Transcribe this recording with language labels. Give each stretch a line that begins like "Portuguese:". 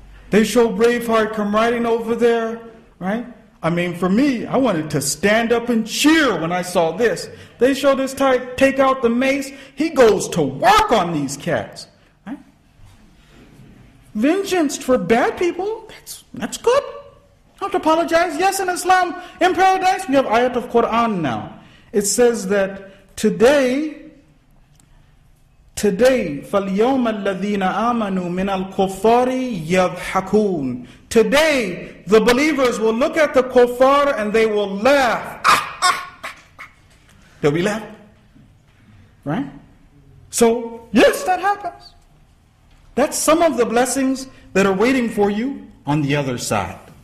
English: They show Braveheart come riding over there, right? I mean, for me, I wanted to stand up and cheer when I saw this. They show this type take out the mace. He goes to work on these cats. Right? Vengeance for bad people, that's good. I have to apologize. Yes, in Islam, in paradise, we have ayat of Quran now. It says that today,
Arabic: فَالْيَوْمَ الَّذِينَ آمَنُوا مِنَ الْكُفَّارِ يَضْحَكُونَ.
English: Today, the believers will look at the kuffar and they will laugh. They'll be laughing. Right? So, yes, that happens. That's some of the blessings that are waiting for you on the other side.